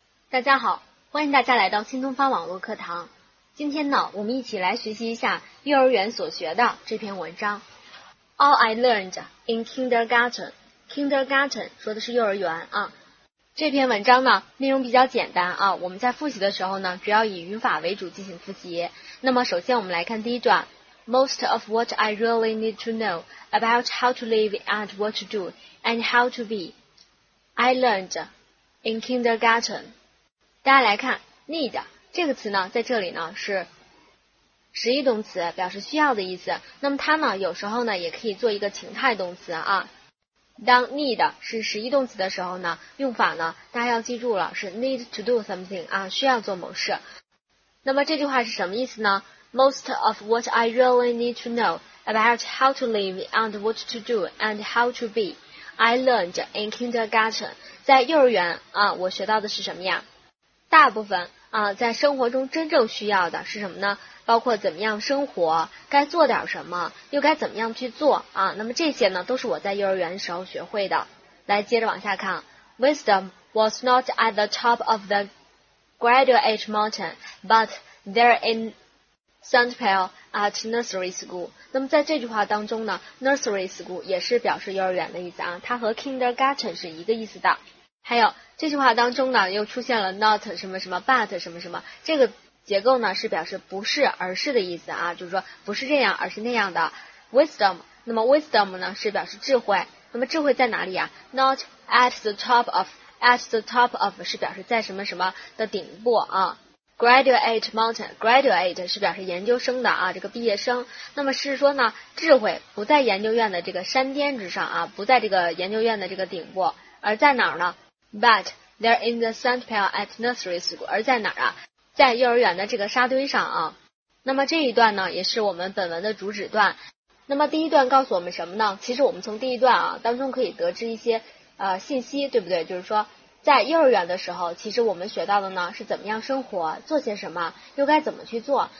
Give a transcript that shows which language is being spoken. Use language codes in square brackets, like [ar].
[zh] 大家好，欢迎大家来到新东方网络课堂。今天呢，我们一起来学习一下幼儿园所学的这篇文章。 [en] All I learned in kindergarten. Kindergarten [zh] 说的是幼儿园啊。这篇文章呢，内容比较简单啊，我们在复习的时候呢，主要以语法为主进行复习。那么首先我们来看第一段。 [en] Most of what I really need to know about how to live and what to do and how to be, I learned in kindergarten. [zh] 大家来看 need 这个词呢，在这里呢是实义动词，表示需要的意思。那么它呢，有时候呢也可以做一个情态动词啊。当 need 是实义动词的时候呢，用法呢大家要记住了，是 [en] need to do something [zh] 啊，需要做某事。那么这句话是什么意思呢？ [en] Most of what I really need to know about how to live and what to do and how to be, I learned in kindergarten. [zh] 在幼儿园啊，我学到的是什么呀？大部分啊，在生活中真正需要的是什么呢？包括怎么样生活，该做点什么，又该怎么样去做啊？那么这些呢，都是我在幼儿园时候学会的。来，接着往下看。 [en] Wisdom was not at the top of the graduate mountain, but there in Sandpile at nursery school. [zh] 那么在这句话当中呢， nursery school 也是表示幼儿园的意思啊，它和 kindergarten 是一个意思的。还有这句话当中呢，又出现了 not 什么什么 but 什么什么，这个结构呢是表示不是而是的意思啊，就是说不是这样而是那样的。 wisdom， 那么 wisdom 呢是表示智慧，那么智慧在哪里啊？ [en] not at the top of， at the top of [zh] 是表示在什么什么的顶部啊。 [en] Graduate mountain, [zh] graduate 是表示研究生的啊，这个毕业生。那么是说呢，智慧不在研究院的这个山巅之上啊，不在这个研究院的这个顶部，而在哪儿呢？ [en] But they're in the sandpile at nursery school. [zh] 而在哪儿啊？在幼儿园的这个沙堆上啊。那么这一段呢，也是我们本文的主旨段。那么第一段告诉我们什么呢？其实我们从第一段啊当中可以得知一些信息，对不对？就是说，在幼儿园的时候，其实我们学到的呢是怎么样生活，做些什么，又该怎么去做。